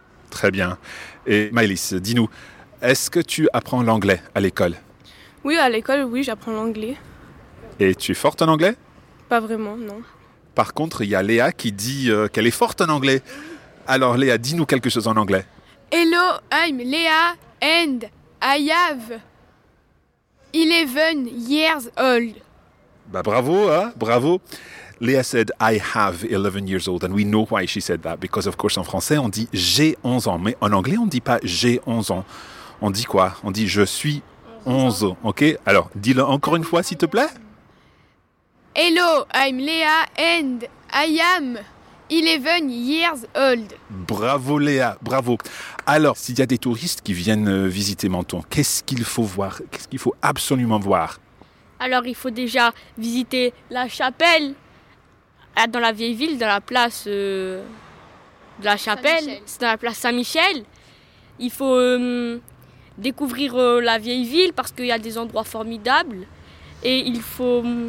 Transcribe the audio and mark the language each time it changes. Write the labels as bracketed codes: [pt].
[fr] Très bien. Et Maëlys, dis-nous, est-ce que tu apprends l'anglais à l'école? Oui, à l'école, oui, j'apprends l'anglais. Et tu es forte en anglais? Pas vraiment, non. Par contre, il y a Léa qui dit qu'elle est forte en anglais. Alors Léa, dis-nous quelque chose en anglais. [en] Hello, I'm Léa and I have 11 years old. [fr] Bah bravo, hein, bravo. [en] Léa said I have 11 years old and we know why she said that. Because of course, [fr] en français, on dit j'ai 11 ans. Mais en anglais, on ne dit pas j'ai 11 ans. On dit quoi? On dit je suis 11 ans, ok? Alors, dis-le encore une fois, s'il te plaît. [en] Hello, I'm Léa and I am 11 years old. [fr] Bravo Léa, bravo. Alors, s'il y a des touristes qui viennent visiter Menton, qu'est-ce qu'il faut voir? Qu'est-ce qu'il faut absolument voir? Alors, il faut déjà visiter la chapelle dans la vieille ville, dans la place de la chapelle. C'est dans la place Saint-Michel. Il faut découvrir la vieille ville parce qu'il y a des endroits formidables. Et il faut...